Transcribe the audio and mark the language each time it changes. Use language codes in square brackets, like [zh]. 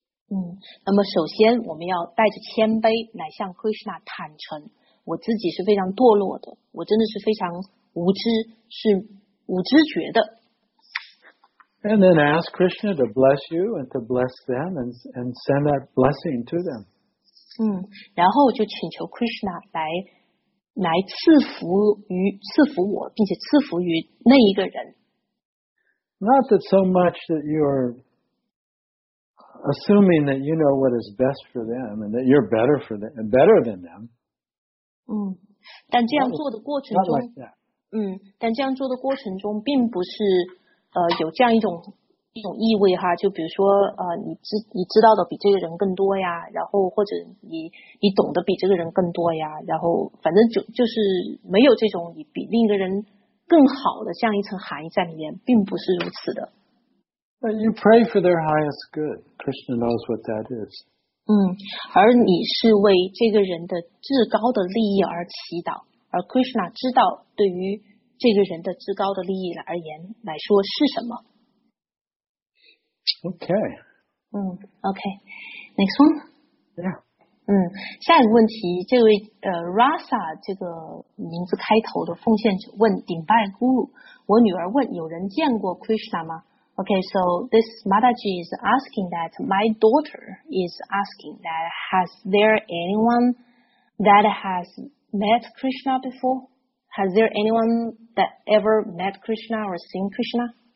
[zh] 那么首先我们要带着谦卑来向 Krishna 坦诚，我自己是非常堕落的，我真的是非常无知，是无知觉的。 [en] And then ask Krishna to bless you and to bless them and send that blessing to them. [zh] 然后就请求 Krishna 来赐福我，并且赐福于那一个人。 [en] Not that so much that you're assuming that you know what is best for them and that you're better for them and better than them. [zh] 但这样做的过程中。但这样做的过程中并不是有这样一种意味哈，就比如说你知道的比这个人更多呀，然后或者你懂得比这个人更多呀，然后反正就是没有这种你比另一个人更好的这样一层含义在里面，并不是如此的。 [en] But you pray for their highest good. Krishna knows what that is. [zh] 而你是为这个人的至高的利益而祈祷。而 Krishna 知道对于这个人的至高的利益而言来说是什么。 [en] OK Next one. Yeah. [zh] 下一个问题，这位Rasa 这个名字开头的奉献者问 Dimbai Guru， 我女儿问有人见过 Krishna 吗？ [en] OK, so this Mataji is asking that my daughter is asking that has there anyone that has met Krishna before? Has there anyone that ever met Krishna or seen Krishna?